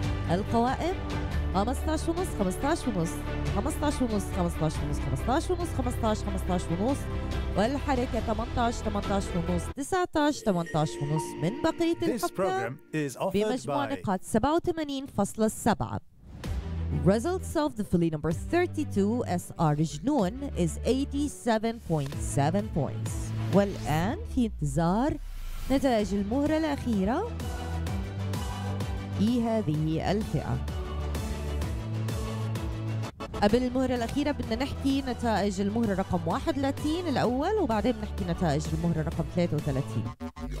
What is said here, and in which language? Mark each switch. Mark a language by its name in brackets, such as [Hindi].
[Arabic] القوائم 15.5 15.5 15.5 15.5 15.5. والحركة 18 18.5 19 18.5 من بقية الحكام بمجموع نقاط 87.7. [English] Results of the filly number 32 SR جنون is 87.7 points. [Arabic] والآن في انتظار نتائج المهرة الأخيرة في هذه الفئة. قبل المهرة الأخيرة بدنا نحكي نتائج المهرة رقم 31 الأول، وبعدين بنحكي نتائج المهرة رقم 33.